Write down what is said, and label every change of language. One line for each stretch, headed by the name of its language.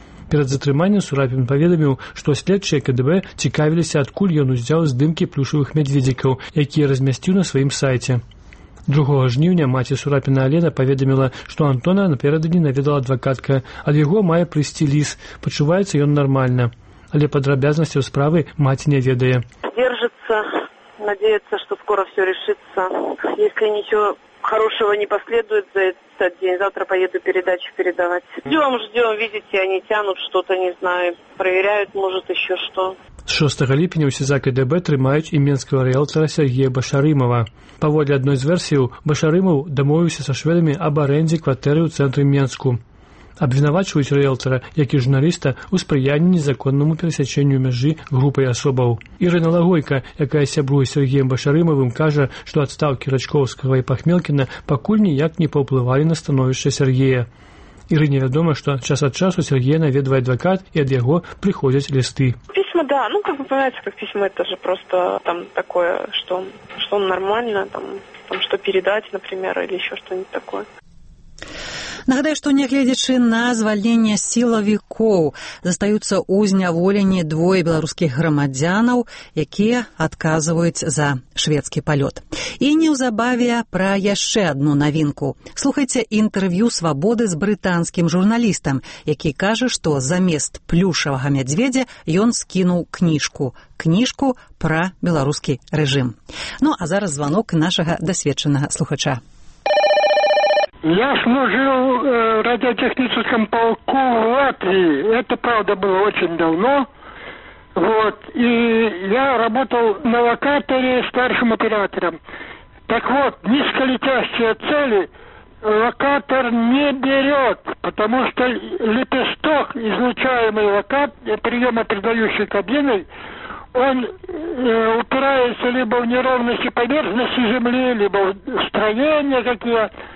Belarusian: Перад затрыманнем Сурапін паведаміў, што следчыя КДБ цікавіліся, адкуль ён узяў здымкі плюшавых мядзведзікаў, якія размясціў на сваім сайце. 2 жніўня маці Сурапіна Алена паведаміла, што Антона напярэдадні наведала адвакатка, ад яго мае прыйсці ліс, пачуваецца ён нармальна. Але падрабязнасцяў справы маці не ведае.
Russian: Держится, надеется, что скоро все решится. Если ничего хорошего не последует за этот день, завтра поеду передачу передавать. Ждем, ждем, видите, они тянут что-то, не знаю, проверяют, может, еще что.
Belarusian: З 6 ліпеня ў СІЗА КДБ трымаюць і менскага рыэлтара Сергія Башарымова. Паводле адной з версій, Башарымаў дамовіўся са шведамі аб арэндзе кватэры ў цэнтры Менску. Абвінавачваюць рыэлтара, як і журналіста, у спрыянні незаконнаму перасячэнню мяжы групай асобаў. Ірына Лагойка, якая сябруе з Сергіем Башарымавым, кажа, што адстаўкі Рачкоўскага і Пахмелкіна пакуль ніяк не паўплывалі на становішча Сергія. Ірыне вядома, што час ад часу Сергія наведвае адвакат і ад яго прыходзяць лісты.
Russian: Письма, да, ну, как вы понимаете, как письма, это же просто там такое, что нормально, там что передать, например, или еще что-нибудь такое.
Belarusian: Нагадаю, што нягледзячы на звальненне сілавікоў, застаюцца ў зняволенні двое беларускіх грамадзянаў, якія адказваюць за шведскі палёт. І неўзабаве пра яшчэ адну навінку. Слухайце інтэрв'ю «Свабоды» з брытанскім журналістам, які кажа, што замест плюшавага мядзведзя ён скінуў кніжку. Кніжку пра беларускі рэжым. Ну, а зараз званок нашага дасведчанага слухача.
Russian: Я служил в радиотехническом полку в Латвии. Это, правда, было очень давно. Вот. И я работал на локаторе старшим оператором. Так вот, низколетящие цели локатор не берет, потому что лепесток, излучаемый приемопередающей кабиной, он упирается либо в неровности поверхности земли, либо в строения какие-то.